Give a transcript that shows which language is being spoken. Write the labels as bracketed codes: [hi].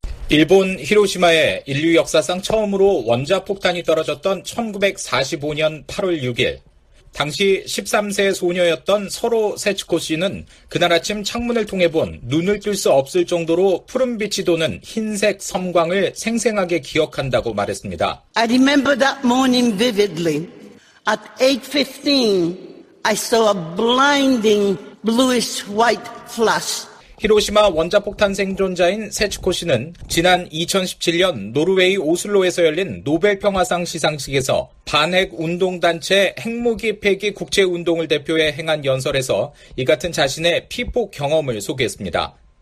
[ko] 일본 히로시마에 인류 역사상 처음으로 원자폭탄이 떨어졌던 1945년 8월 6일. 당시 13세 소녀였던 서로 세츠코 씨는 그날 아침 창문을 통해 본 눈을 뜰 수 없을 정도로 푸른빛이 도는 흰색 섬광을 생생하게 기억한다고 말했습니다. [en] I remember that morning vividly. At 8:15, I saw a blinding bluish white flash. [ko] 히로시마 원자폭탄 생존자인 세츠코 씨는 지난 2017년 노르웨이 오슬로에서 열린 노벨평화상 시상식에서 반핵운동단체 핵무기 폐기 국제운동을 대표해 행한 연설에서 이 같은 자신의 피폭 경험을 소개했습니다.